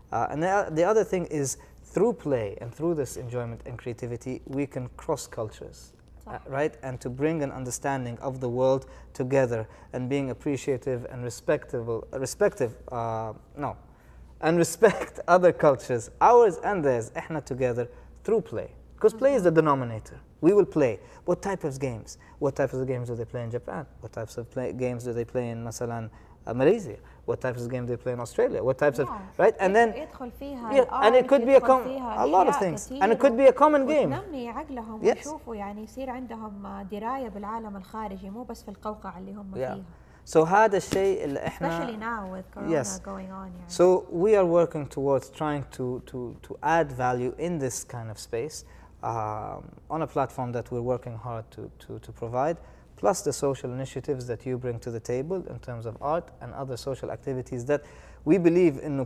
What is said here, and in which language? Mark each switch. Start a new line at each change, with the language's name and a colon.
English: and the other thing is through play and through this enjoyment and creativity we can cross cultures right and to bring an understanding of the world together and being appreciative and respect other cultures ours and theirs احنا together through play Because play is the denominator. We will play. What type of games? What types of games do they play in Japan? What types of games do they play in, مثلا, Malaysia? what types of game they play in Australia, what types of, right? And then
Arabic: يدخل فيها
English: and it could be a lot of things and it could be a common game.
Arabic: وتنمي عقلهم ويشوفوا يعني يصير عندهم دراية بالعالم الخارجي مو بس في القوقعة اللي هم فيها. So هذا الشيء اللي احنا
English: especially now with corona going on. Yeah. So we are working towards trying to add value in this kind of space on a platform that we're working hard to provide, plus the social initiatives that you bring to the table in terms of art and other social activities that we believe in.